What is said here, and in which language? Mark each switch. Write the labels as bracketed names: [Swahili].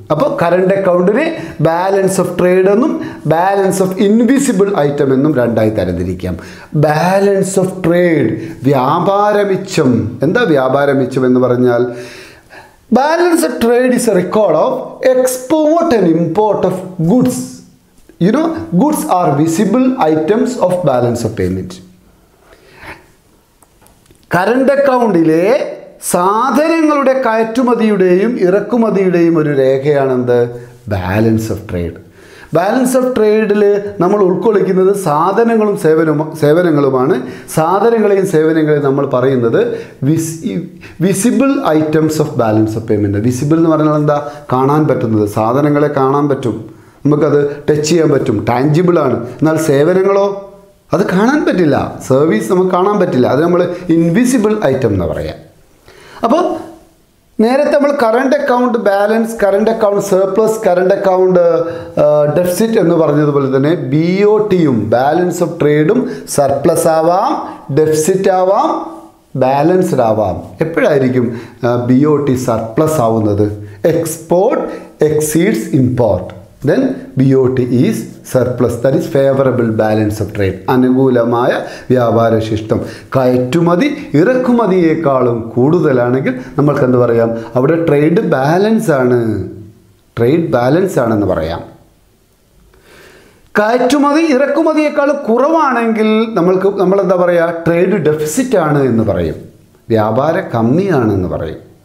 [Malayalam] അപ്പോൾ current അക്കൗണ്ടിനെ balance of trade എന്നും balance of invisible item എന്നും രണ്ടായി തരംതിരിക്കാം. Balance of trade, വ്യാപാരമിച്ചം. എന്താ വ്യാപാരമിച്ചം എന്ന് പറഞ്ഞാൽ, [English] Balance of trade is a record of export and import of goods. You know, goods are visible items of balance of payment. [Malayalam] Current അക്കൗണ്ടിലെ സാധനങ്ങളുടെ കയറ്റുമതിയുടെയും ഇറക്കുമതിയുടെയും ഒരു രേഖയാണെന്ത് balance of trade. Balance of ട്രേഡിൽ നമ്മൾ ഉൾക്കൊള്ളിക്കുന്നത് സാധനങ്ങളും സേവനങ്ങളുമാണ്. സാധനങ്ങളെയും സേവനങ്ങളെയും നമ്മൾ പറയുന്നത് visible items of balance of payment. Visible എന്ന് പറഞ്ഞാൽ എന്താ കാണാൻ പറ്റുന്നത്, സാധനങ്ങളെ കാണാൻ പറ്റും, നമുക്കത് ടച്ച് ചെയ്യാൻ പറ്റും, ടാഞ്ചിബിളാണ്. എന്നാൽ സേവനങ്ങളോ അത് കാണാൻ പറ്റില്ല, സർവീസ് നമുക്ക് കാണാൻ പറ്റില്ല, അത് നമ്മൾ ഇൻവിസിബിൾ ഐറ്റം എന്ന് പറയാം. അപ്പോൾ നേരത്തെ നമ്മൾ current account balance, current account surplus, current account deficit എന്ന് പറഞ്ഞതുപോലെ തന്നെ BOTയും ബാലൻസ് ഓഫ് ട്രേഡും സർപ്ലസ് ആവാം, ഡെഫിസിറ്റ് ആവാം, ബാലൻസ്ഡ് ആവാം. എപ്പോഴായിരിക്കും BOT സർപ്ലസ് ആവുന്നത്? [English] export exceeds import, then BOT is surplus, that is favorable balance of trade, [Malayalam] അനുകൂലമായ വ്യാപാര ശിഷ്ടം. കയറ്റുമതി ഇറക്കുമതിയേക്കാളും കൂടുതലാണെങ്കിൽ നമ്മൾക്ക് എന്ത് പറയാം, അവിടെ ട്രേഡ് ബാലൻസ് ആണ്, ട്രേഡ് ബാലൻസ് ആണെന്ന് പറയാം. കയറ്റുമതി ഇറക്കുമതിയേക്കാളും കുറവാണെങ്കിൽ നമ്മൾക്ക് നമ്മൾ എന്താ പറയുക, ട്രേഡ് ഡെഫിസിറ്റ് ആണ് എന്ന് പറയും, വ്യാപാര കമ്മിയാണെന്ന് പറയും.